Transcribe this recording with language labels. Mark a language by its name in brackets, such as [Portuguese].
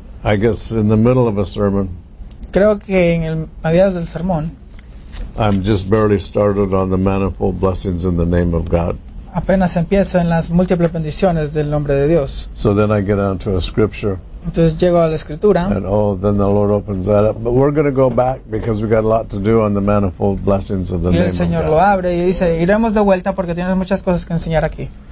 [English] I guess in the middle of a sermon. [Spanish] Creo que en el mediados del sermón. [English] I'm just barely started on the manifold blessings in the name of God. [Spanish] Apenas empiezo en las múltiples bendiciones del nombre de Dios. [English] So then I get onto a scripture. [Spanish] Entonces llego a la escritura. [English] And oh, then the Lord opens that up. But we're going to go back because we got a lot to do on the manifold blessings of the name of God. [Spanish] Y el Señor lo abre y dice, iremos de vuelta porque tienes muchas cosas que enseñar aquí.